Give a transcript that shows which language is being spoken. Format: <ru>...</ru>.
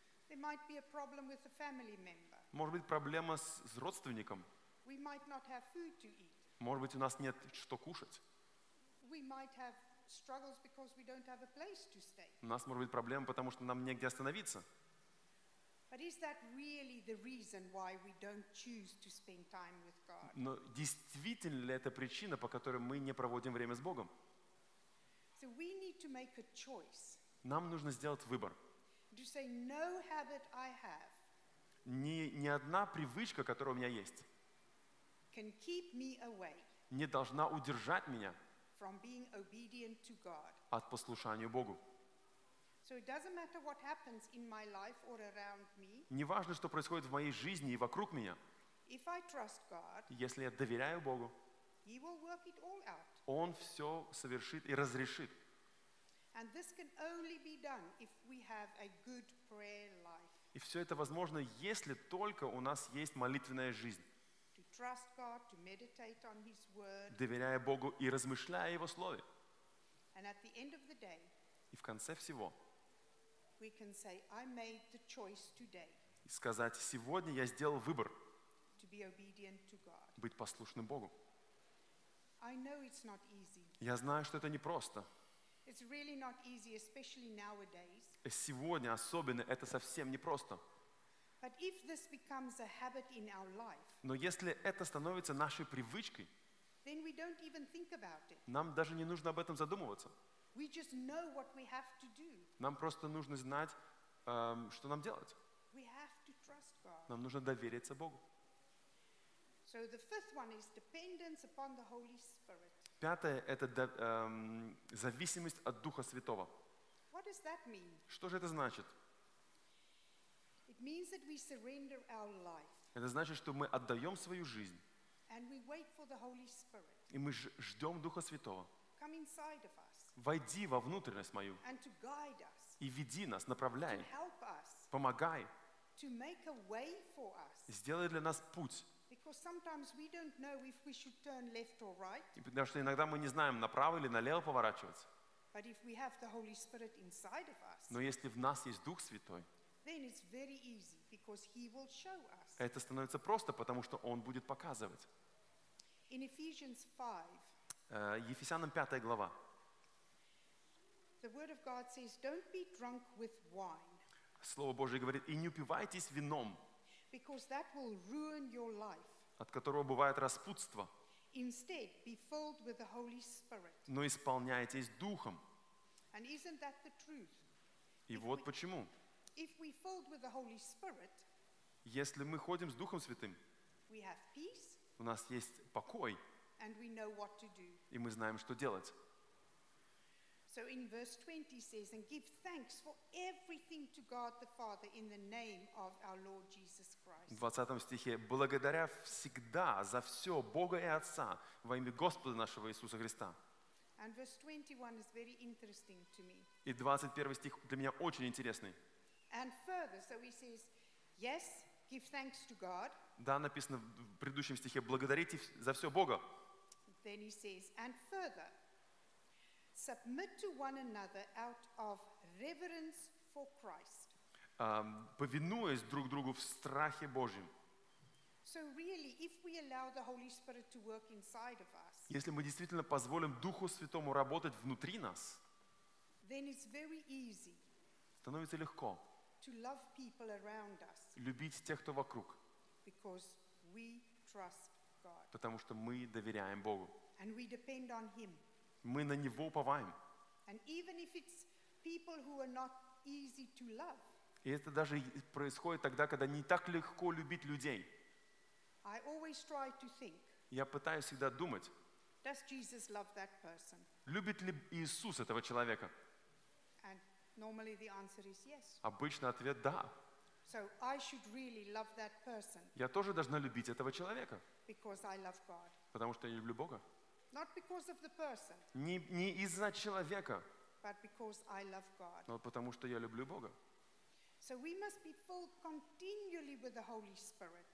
<en>There might be a problem with a family member.</en> <ru>Может быть, проблема с родственником.</ru> <en>We might not have food to eat.</en> <ru>Может быть, у нас нет что кушать.</ru> <en>We might have struggles because we don't have a place to stay.</en> <ru>У нас может быть проблема, потому что нам негде остановиться.</ru> <en>But is that really the reason why we don't choose to spend time with God?</en> <ru>Но действительно ли это причина, по которой мы не проводим время с Богом?</ru> <en>So we need to make a choice.</en> <ru>Нам нужно сделать выбор.</ru> <en>To say no habit I have.</en> <ru>Ни одна привычка, которая у меня есть.</ru> <en>Can keep me away.</en> <ru>Не должна удержать меня.</ru> <en>From being obedient to God.</en> <ru>От послушания Богу.</ru> <en>So it doesn't matter what happens in my life or around me.</en> <ru>Неважно, что происходит в моей жизни и вокруг меня.</ru> <en>If I trust God,</en> <ru>если я доверяю Богу,</ru> <en>He will work it all out.</en> <ru>Он все совершит и разрешит.</ru> <en>And this can only be done if we have a good prayer life.</en> <ru>И все это возможно, если только у нас есть молитвенная жизнь.</ru> <en>To trust God, to meditate on His word.</en> <ru>Доверяя Богу и размышляя о Его слове.</ru> <en>And at the end of the day,</en> <ru>и в конце всего</ru> <en>we can say, I made the choice today.</en> <ru>Сказать, сегодня я сделал выбор</ru> <en>to be obedient to God.</en> <ru>Быть послушным Богу.</ru> <en>I know it's not easy.</en> <ru>Я знаю, что это непросто.</ru> <en>It's really not easy, especially nowadays.</en> <ru>Сегодня особенно это совсем непросто.</ru> <en>But if this becomes a habit in our life,</en> <ru>но если это становится нашей привычкой,</ru> <en>then we don't even think about it.</en> <ru>Нам даже не нужно об этом задумываться.</ru> <en>We just know what we have to do.</en> <ru>Нам просто нужно знать, что нам делать.</ru> <en>We have to trust God.</en> <ru>Нам нужно довериться Богу.</ru> <en>So the fifth one is dependence upon the Holy Spirit.</en> <ru>Пятое – это зависимость от Духа Святого.</ru> <en>What does that mean?</en> <ru>Что же это значит?</ru> <en>It means that we surrender our life.</en> <ru>Это значит, что мы отдаем свою жизнь.</ru> <en>And we wait for the Holy Spirit.</en> <ru>И мы ждем Духа Святого.</ru> <en>Come inside of us.</en> <ru>Войди во внутренность мою</ru> <en>and to guide us,</en> <ru>и веди нас, направляй,</ru> <en>to help us,</en> <ru>помогай</ru> <en>to make a way for us.</en> <ru>Сделает для нас путь.</ru> <en>Because sometimes we don't know if we should turn left or right.</en> <ru>Потому что иногда мы не знаем, направо или налево поворачиваться.</ru> <en>But if we have the Holy Spirit inside of us.</en> <ru>Но если в нас есть Дух Святой.</ru> <en>Then it's very easy because he will show us.</en> <ru>Это становится просто, потому что он будет показывать.</ru> <en>In Ephesians 5.</en> <ru>Ефесянам 5 глава.</ru> <en>The word of God says, don't be drunk with wine.</en> <ru>Слово Божье говорит: и не упивайтесь вином.</ru> <en>Because that will ruin your life.</en> <ru>От которого бывает распутство.</ru> <en>Instead, be filled with the Holy Spirit.</en> <ru>Но исполняйтесь Духом.</ru> <en>And isn't that the truth?</en> <ru>И вот почему.</ru> <en>If we filled with the Holy Spirit,</en> <ru>если мы ходим с Духом Святым,</ru> <en>we have peace,</en> <ru>у нас есть покой,</ru> <en>and we know what to do.</en> <ru>И мы знаем, что делать.</ru> <en>So in verse 20 says, and give thanks for everything to God the Father in the name of our Lord Jesus Christ.</en> <ru>В 20 стихе: благодаря всегда за все Бога и Отца во имя Господа нашего Иисуса Христа.</ru> <en>And verse 21 is very interesting to me.</en> <ru>И 21 стих для меня очень интересный.</ru> <en>And further, so he says, yes, give thanks to God.</en> <ru>Да, написано в предыдущем стихе: благодарите за все Бога.</ru> <en>Then he says, and further, submit to one another out of reverence for Christ.</en> <ru>Повинуясь друг другу в страхе Божьем.</ru> <en>So really, if we allow the Holy Spirit to work inside of us.</en> <ru>Если мы действительно позволим Духу Святому работать внутри нас.</ru> <en>Then it's very easy.</en> <ru>Становится легко.</ru> <en>To love people around us.</en> <ru>Любить тех, кто вокруг.</ru> <en>Because we trust God.</en> <ru>Потому что мы доверяем Богу.</ru> <en>And we depend on him.</en> <ru>Мы на него уповаем.</ru> <en>And even if it's people who are not easy to love.</en> <ru>И это даже происходит тогда, когда не так легко любить людей.</ru> <en>I always try to think.</en> <ru>Я пытаюсь всегда думать.</ru> <en>Does Jesus love that person?</en> <ru>Любит ли Иисус этого человека?</ru> <en>Normally the answer is yes.</en> <ru>Обычно ответ да.</ru> <en>So I should really love that person.</en> <ru>Я тоже должна любить этого человека.</ru> <en>Because I love God.</en> <ru>Потому что я люблю Бога.</ru> <en>Not because of the person.</en> <ru>Не из-за человека.</ru> <en>But because I love God.</en> <ru>Но потому что я люблю Бога.</ru> <en>So we must be filled continually with the Holy Spirit.</en>